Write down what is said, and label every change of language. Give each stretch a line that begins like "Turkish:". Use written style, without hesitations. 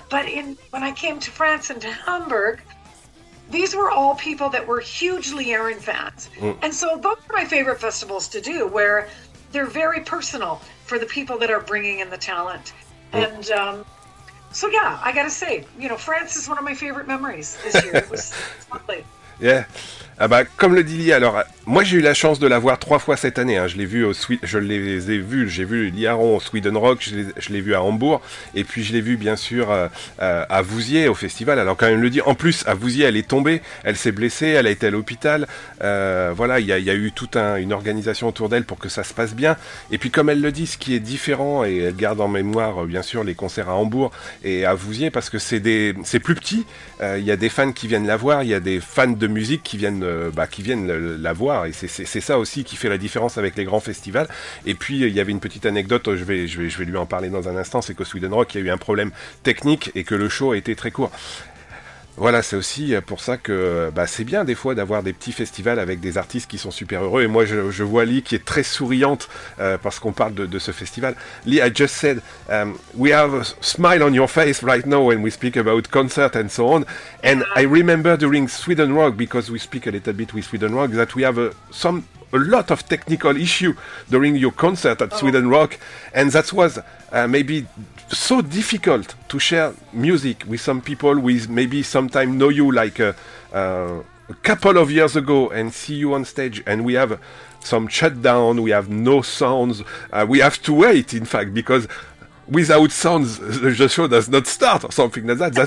English: But when I came to France and to Hamburg, these were all people that were hugely Aaron fans. Mm. And so those are my favorite festivals to do, where they're very personal for the people that are bringing in the talent. Mm. And I got to say, France is one of my favorite memories this year. It was lovely. Yeah.
French: Ah bah, comme le dit Lee, alors moi j'ai eu la chance de la voir 3 fois cette année. Hein. J'ai vu Lee Aarons au Sweden Rock, je l'ai vu à Hambourg, et puis je l'ai vu bien sûr à Vouziers au festival. Alors quand même le dit, en plus à Vouziers elle est tombée, elle s'est blessée, elle a été à l'hôpital. Il y a eu toute une organisation autour d'elle pour que ça se passe bien. Et puis comme elle le dit, ce qui est différent, et elle garde en mémoire bien sûr les concerts à Hambourg et à Vouziers, parce que c'est plus petit. Il y a des fans qui viennent la voir, il y a des fans de musique qui viennent la voir, et c'est ça aussi qui fait la différence avec les grands festivals. Et puis il y avait une petite anecdote, je vais lui en parler dans un instant, c'est qu'au Sweden Rock il y a eu un problème technique et que le show a été très court. Voilà, c'est aussi pour ça que bah, c'est bien des fois d'avoir des petits festivals avec des artistes qui sont super heureux. Et moi, je vois Lee qui est très souriante parce qu'on parle de ce festival.
English: Lee, I just said, we have a smile on your face right now when we speak about concert and so on. And I remember during Sweden Rock, because we speak a little bit with Sweden Rock, that we have a lot of technical issue during your concert at Sweden Rock. And that was maybe so difficult to share music with some people with maybe sometime know you like a couple of years ago and see you on stage, and we have some shutdown, we have no sounds, we have to wait in fact because without sounds the show does not start or something like that.